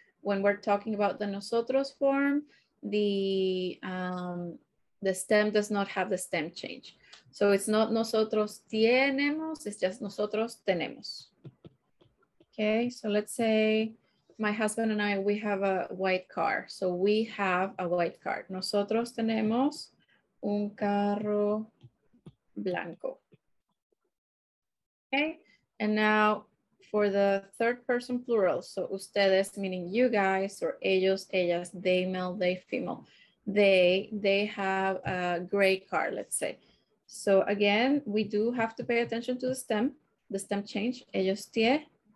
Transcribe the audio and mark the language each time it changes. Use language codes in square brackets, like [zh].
[en] When we're talking about the nosotros form, the stem does not have the stem change. So it's not nosotros tenemos, it's just nosotros tenemos. Okay, so let's say my husband and I, we have a white car. So we have a white car. [es] Nosotros tenemos un carro blanco. [en] Okay, and now for the third person plural. So ustedes, meaning you guys, or ellos, ellas, they male, they female. They have a gray car, let's say. So again, we do have to pay attention to the stem change, ellos tie.